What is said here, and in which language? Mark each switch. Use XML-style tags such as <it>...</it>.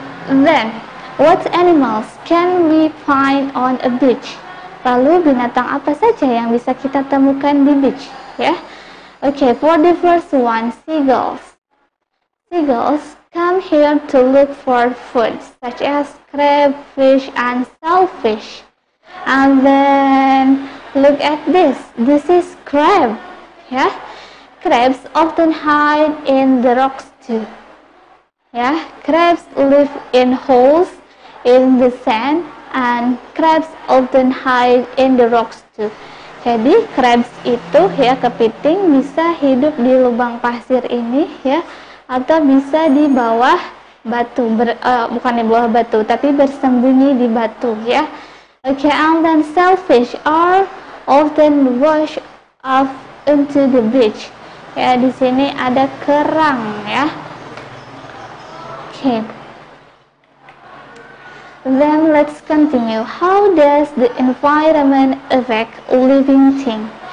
<en>Then, what animals can we find on a beach?</en> <id>Lalu binatang apa saja yang bisa kita temukan di beach?</id> <en>Ya. Okay, for the first one, seagulls. Seagulls come here to look for food, such as crabfish and shellfish. And then, look at this. This is crab. Yeah. Crabs often hide in the rocks too. Yeah. Crabs live in holes in the sand, and crabs often hide in the rocks too.</en> <id>Jadi crabs itu ya, kepiting bisa hidup di lubang pasir ini ya, atau bisa di bawah batu, bukan di bawah batu, tapi bersembunyi di batu ya.</id> <en>Okay, and then shellfish are often washed off into the beach.</en> <id>Ya, di sini ada kerang ya. Okay.</id> <en>Then let's continue. How does the environment affect living thing?</en>